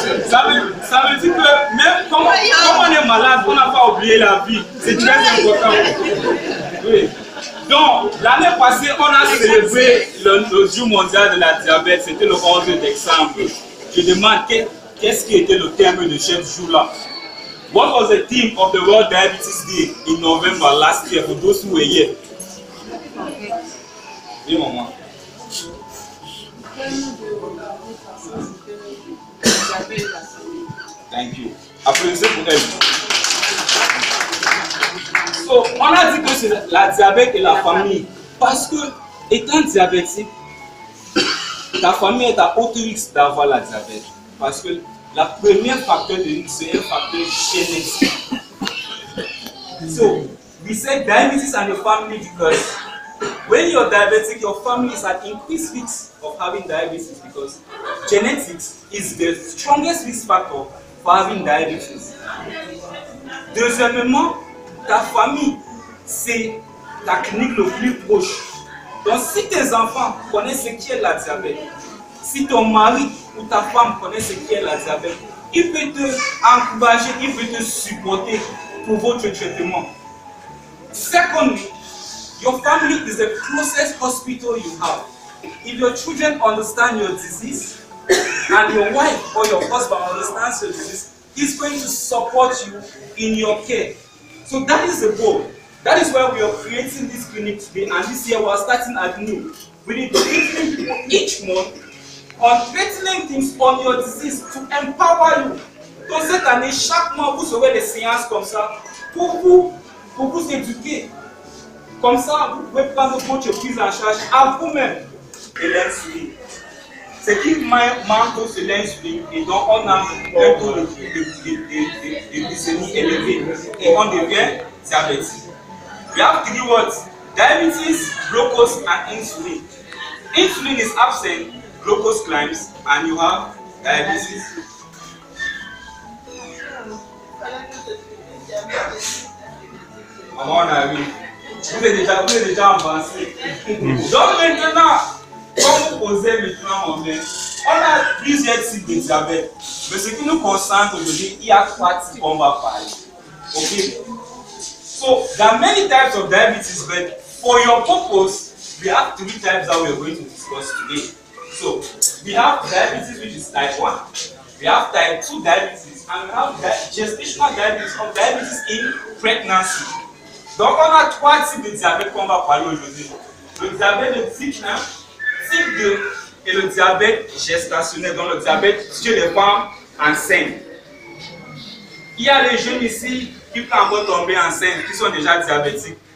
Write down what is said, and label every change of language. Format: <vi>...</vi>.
<fr>Ça veut dire que même comme on est malade, on n'a pas oublié la vie. C'est très important. Oui. Donc, l'année passée, on a célébré le jour mondial de la diabète. C'était le 11 décembre. Je demande qu'est-ce qui était le thème de ce jour-là.</fr> <en>What was the theme of the World Diabetes Day in November last year for those who were here?</en> <fr>Oui, maman.</fr> <en>Thank you.</en> <fr>Applaudissez pour elle. So, on a dit que c'est la diabète et la famille. Parce que, étant diabétique, ta famille est à haut risque d'avoir la diabète. Parce que la première facteur de risque, c'est un facteur génétique.</fr> <en>So, we say diabetes and the family because when you're diabetic, your family is at increased risk of having diabetes because genetics is the strongest risk factor for having diabetes.</en> <fr>Deuxièmement, ta famille, c'est ta clinique le plus proche. Donc si tes enfants connaissent ce qu'est la diabète, si ton mari ou ta femme connaît ce qu'est la diabète, il peut te encourager, il peut te supporter pour votre traitement.</fr> <en>Second, your family is the closest hospital you have. If your children understand your disease, and your wife or your husband understands your disease, he's going to support you in your care. So that is the goal. That is why we are creating this clinic today, and this year we are starting at noon. We need to treat people each month on threatening things on your disease to empower you.</en> <fr>Donc cette année, chaque mois, vous aurez des séances comme ça pour vous éduquer. Comme ça, vous pouvez prendre votre prise en charge à vous-même et l'insuline. Ce qui manque, c'est l'insuline. Et donc, on a un taux de glycémie élevé. Et on devient diabétique.</fr> <en>We have three words: diabetes, glucose, and insulin. Insulin is absent, glucose climbs, and you have diabetes.</en> <fr>Maman, on a vu. Vous êtes déjà avancé. Donc maintenant, quand vous posez maintenant en main, on a plusieurs types de diabète. Mais ce qui nous concerne aujourd'hui, il y a trois types qu'on va parler. Ok?</fr> <en>So, there are many types of diabetes, but for your purpose, we have three types that we are going to discuss today. So, we have diabetes which is type 1, we have type 2 diabetes, and we have gestational diabetes or diabetes in pregnancy.</en> <fr>Donc on a trois types de diabète qu'on va parler aujourd'hui. Le diabète de type 1, type 2 et le diabète gestationnel, donc le diabète chez les femmes enceintes. Il y a les jeunes ici qui peuvent tomber enceintes, qui sont déjà diabétiques.</fr>